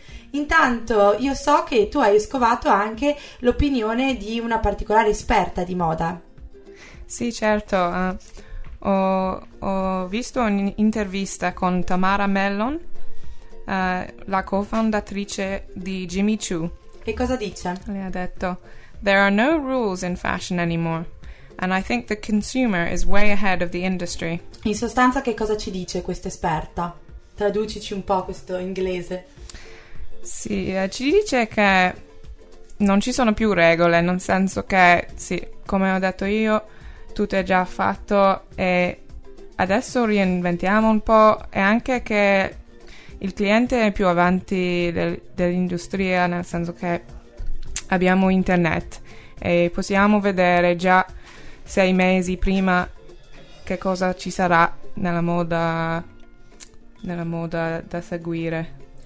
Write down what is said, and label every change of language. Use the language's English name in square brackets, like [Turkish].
[Italian] Intanto io so che tu hai scovato anche l'opinione di una particolare esperta di moda. Sì, certo. Ho visto un'intervista con Tamara Mellon, la cofondatrice di Jimmy Choo. Che cosa dice? Le ha detto: [English] "There are no rules in fashion anymore, and I think the consumer is way ahead of the industry." [Italian] In sostanza, che cosa ci dice questa esperta? Traducici un po' questo inglese. Sì, ci dice che non ci sono più regole, nel senso che, sì, come ho detto io, tutto è già fatto e adesso reinventiamo un po', e anche che il cliente è più avanti dell'industria, nel senso che abbiamo internet e possiamo vedere già 6 mesi prima che cosa ci sarà nella moda da seguire.